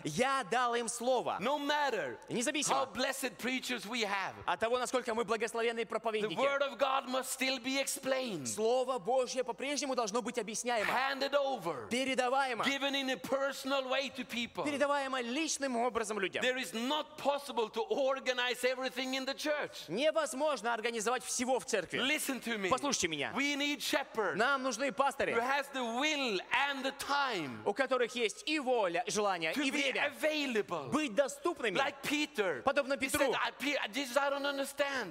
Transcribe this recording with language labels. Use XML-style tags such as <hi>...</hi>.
<ru>Я дал им слово.</ru> <en>No matter.</en> <ru>Независимо.</ru> <en>How blessed preachers we have.</en> <ru>От того, насколько мы благословенные проповедники.</ru> <en>The word of God must still be explained.</en> <ru>Слово Божье по-прежнему должно быть объясняемо.</ru> <en>Handed over.</en> <ru>Передаваемо.</ru> <en>Given in a personal way to people.</en> <ru>Передаваемо личным образом людям.</ru> <en>There is not possible to organize everything in the church.</en> <ru>Невозможно организовать всего в церкви.</ru> <en>Listen to me.</en> <ru>Послушайте меня.</ru> <en>We need shepherds.</en> <ru>Нам нужны пастыри.</ru> <en>Who has the will and the time.</en> <ru>У которых есть и воля, и желание, и время.</ru> <en>To be available.</en> <ru>Быть доступными.</ru> <en>Like Peter.</en> <ru>Подобно Петру.</ru> <en>He said, "Jesus, I don't understand."</en>